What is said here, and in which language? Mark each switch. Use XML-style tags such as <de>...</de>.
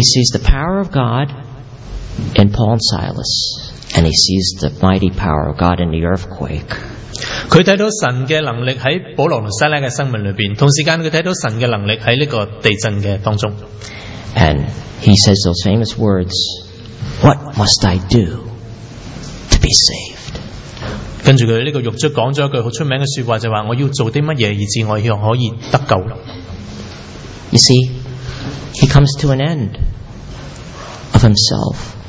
<en>He sees the power of God in Paul and Silas, and he sees the mighty power of God in the earthquake.</en> <zh>他看到神的能力在保罗和西拉的生命里面，同时间他看到神的能力在这个地震的当中。</zh> <en>And he says those famous words, "What must I do to be saved?"</en> <zh>跟着他这个狱卒讲了一句很出名的说话，就话我要做些乜嘢以至我可以得救。</zh> <en>You see, he comes to an end of himself.</en>